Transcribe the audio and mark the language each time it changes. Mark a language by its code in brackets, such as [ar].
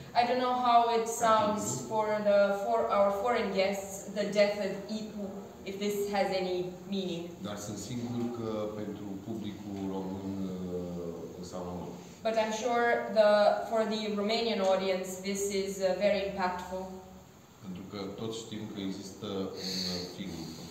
[en] I don't know how it sounds for the for our foreign guests, the death of Ihu, if this has any meaning. [ro] Dar sunt sigur că pentru publicul român înseamnă mult. [en] But I'm sure the for the Romanian audience this is very impactful. [ro] Pentru că toți știm că există un film